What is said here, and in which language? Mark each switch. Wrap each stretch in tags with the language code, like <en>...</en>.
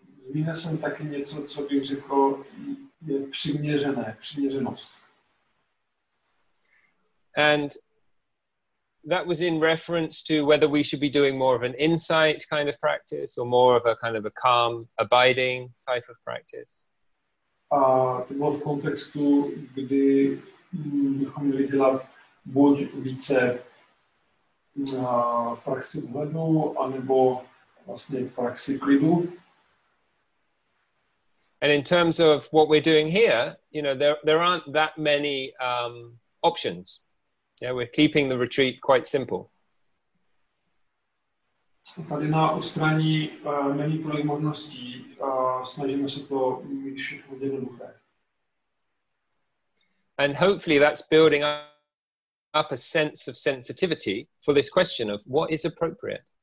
<cs>Zmínil jsem taky něco, co bych řekl, je přiměřené, přiměřenost.</cs> <en>And that was in reference to whether we should be doing more of an insight kind of practice or more of a kind of a calm, abiding type of practice.</en> <cs>To bylo v kontextu, kdy bychom měli dělat buď více praxi uhledu, anebo vlastně praxi klidu.</cs> <en>And in terms of what we're doing here, you know, there aren't that many options. Yeah, we're keeping the retreat quite simple.</en> <cs>Tady na ostraní není tolik možností, snažíme se to mít všechno jednoduché.</cs> <en>And hopefully that's building up a sense of sensitivity for this question of what is appropriate.</en>